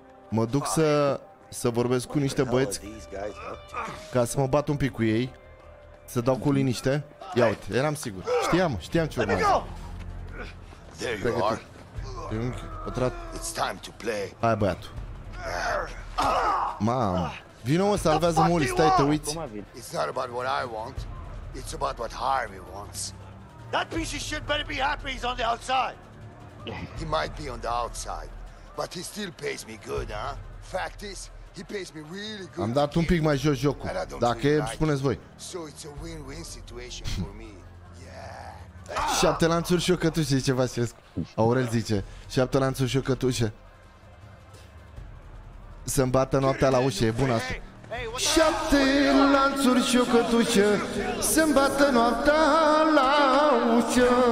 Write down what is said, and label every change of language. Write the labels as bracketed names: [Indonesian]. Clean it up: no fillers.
[Romanian] Mă duc să, să vorbesc cu niște băieți, ca să mă bat un pic cu ei, să dau cu liniște. Ia uite, eram sigur, știam, știam ce urmează. Pregătiți, pătrat. Hai băiatul. Mamă. Vino, mă, salvează mulți, stai, te uiți. [English] It's not about what I want. It's about what Harvey wants. That piece of shit better be happy he's on the outside. He might be on the outside, but he still pays me good, huh? Fact is, he pays me really good. [Romanian] Am dat un pic mai jos jocul, dacă [English] really like [Romanian] spuneți voi. [English] So it's a win-win situation for me. Yeah. [Romanian] Șapte lanțuri și o cătușe, zice Vasilescu. Aurel zice, șapte lanțuri și o cătușe. Să-mi bată noaptea la ușă, e bun asta. Șapte lanțuri și o cătușă. Să-mi bată noaptea la ușă.